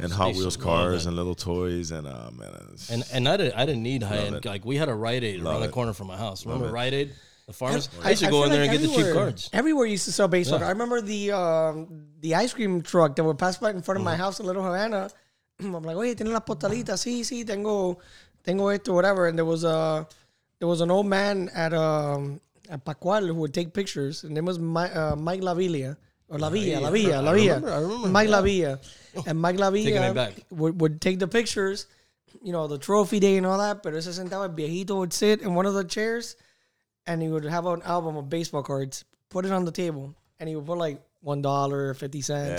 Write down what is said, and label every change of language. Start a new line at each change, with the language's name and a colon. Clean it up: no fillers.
English: and Hot Wheels cars and little toys. And, man. I didn't need high-end. Like, we had a Rite Aid around the corner from my house. Remember Rite Aid? The farmers. I used to go in there and get the cheap cards. Everywhere used to sell baseball. Yeah. I remember the ice cream truck that would pass by in front of my house in Little Havana. I'm like,
Spanish: oye, tiene la potalita. Sí, sí, tengo esto, whatever.
English: And there was an old man at Pacual who would take pictures. His name was Mike Lavilla. Or Lavilla. I remember. Mike Lavilla. And Mike Lavilla would take the pictures, you know, the trophy day and all that.
Spanish: Pero ese sentaba, el viejito
English: would sit in one of the chairs. And he would have an album of baseball cards, put it on the table, and he would put like $1, 50 cents.